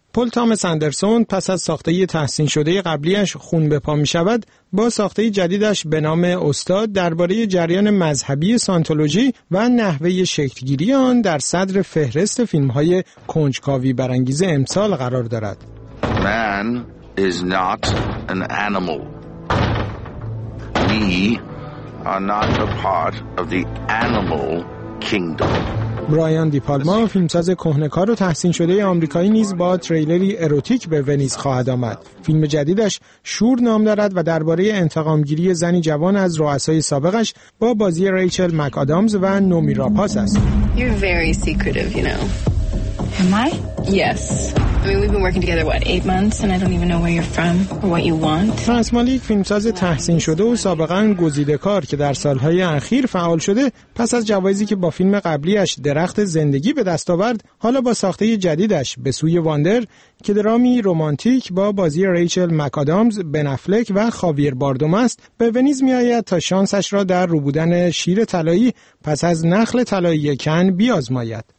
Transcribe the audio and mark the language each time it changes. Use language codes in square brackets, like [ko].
[fa] پل تامس اندرسون پس از ساخته تحسین شده قبلیش خون به پا می شود، با ساخته جدیدش به نام استاد درباره جریان مذهبی سانتولوژی و نحوه شکلگیری آن در صدر فهرست فیلم های کنجکاوی برانگیز امسال قرار دارد. [en] Man is not an animal. We are not a part of the animal kingdom. [fa] برایان دی پالما، فیلمساز کهنه‌کار و تحسین شده آمریکایی، نیز با تریلری اروتیک به ونیز خواهد آمد. فیلم جدیدش شور نام دارد و درباره انتقام‌گیری زنی جوان از رؤسای سابقش با بازی ریچل مک‌آدامز و نومی راپاس است. [en] You're very secretive, you know. Am I? Yes. I mean, we've been working together, what, 8 months, and I don't even know where you're from or what you want. [fa] ترانس مالیک، فیلمساز تحسین شده و سابقاً گزیده کار که در سالهای اخیر فعال شده، پس از جوایزی که با فیلم قبلیش درخت زندگی به دست آورد، حالا با ساخته جدیدش به سوی واندر که درامی رمانتیک با بازی ریچل مک‌آدامز، بن افلک و خاویر باردوم است، به ونیز می آید تا شانسش را در روبودن شیر طلایی پس از نخل طلایی کن بیازماید.